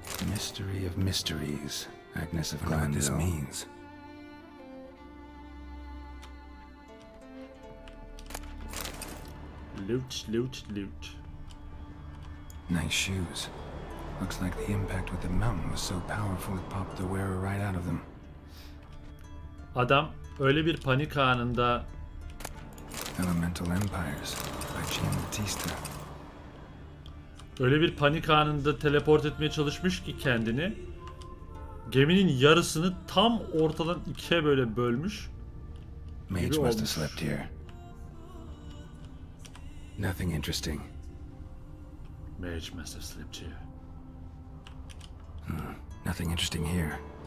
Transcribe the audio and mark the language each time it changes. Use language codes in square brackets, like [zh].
[en] Mystery of mysteries, Agnes of Glandis means. Loot, loot, loot. Nice shoes. Looks like the impact with the mountain was so powerful it popped the wearer right out of them. [tr] Adam, öyle bir panik anında. [en] Elemental Empires. Batista. [tr] Öyle bir panik anında teleport etmeye çalışmış ki kendini, geminin yarısını tam ortadan ikiye böyle bölmüş. [en] Mage must have slept here. Nothing interesting. Mage must have slept here. Nothing interesting here.